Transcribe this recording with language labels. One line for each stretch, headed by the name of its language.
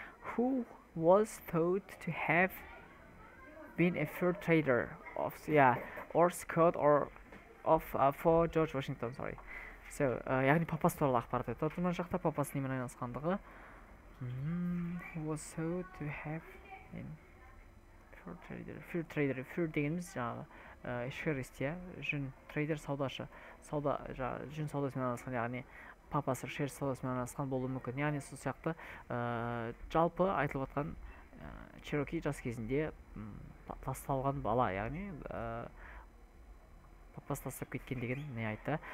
English: Who was thought to have been a fur trader of or scout or of for George Washington, sorry.
Kazakh: So, яғни папасы туралы ақпарат айтып отыр, мына жақта папасы немен айналысқандығы.
English: Who was thought to have been fur trader.
Kazakh: Fur trader, fur дегеніміз жаңағы шерист, иә, жүн трейдер, саудашы, сауда, жаңағы жүн саудасымен айналысқан, яғни папасы шер саудасымен айналысқан болуы мүмкін. Яғни сол сияқты жалпы айтылып жатқан Чероки жас кезінде тасталған бала, яғни папасы тастап кеткен деген не айтты.